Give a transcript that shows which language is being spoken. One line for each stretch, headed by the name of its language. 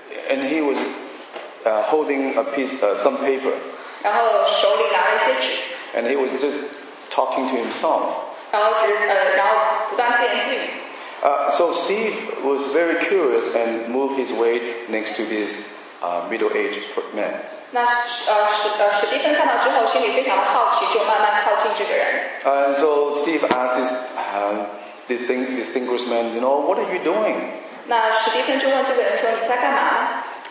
English: And he was holding a piece, some paper.
Chinese: 然后手里拿了一些纸。
English: And he was just talking to himself.
Chinese: 然后不断自言自语。
English: So Steve was very curious and moved his way next to this middle-aged man.
Chinese: 史蒂芬看到之后心里非常的好奇，就慢慢靠近这个人。
English: And so Steve asked this distinguished man, you know, what are you doing?
Chinese: 那史蒂芬就问这个人说你在干嘛？